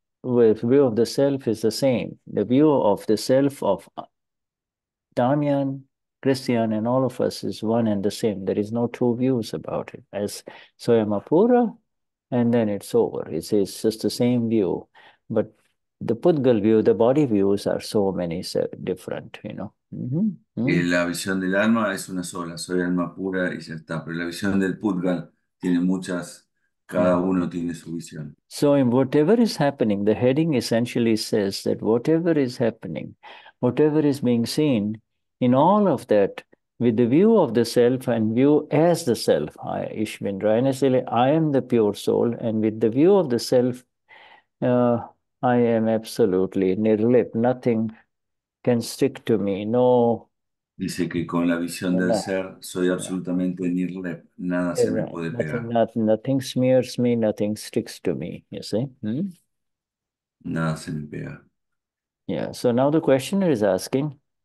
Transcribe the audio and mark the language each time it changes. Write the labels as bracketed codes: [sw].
[en] with view of the self is the same. The view of the self of Damian, Cristian, and all of us is one and the same. There is no two views about it. As Swayamapura, and then it's over. It's just the same view. But the Pudgal view, the body views are so many different, you know. [es] Y la visión del alma es una sola, soy alma pura y ya está. Pero la visión del Pudgal tiene muchas, cada uno tiene su visión. [en] So in whatever is happening, the heading essentially says that whatever is happening, whatever is being seen, in all of that, with the view of the self and view as the self, I, Ishvindra, I am the pure soul, and with the view of the self, I am absolutely Nirleyp, nothing can stick to me, no. [es] Dice que con la visión del ser soy absolutamente Nirleyp, nada se me puede pegar. [en] Nothing smears me, nothing sticks to me, you see? [es] Nada se me pega. [en] Yeah, so now the questioner is asking.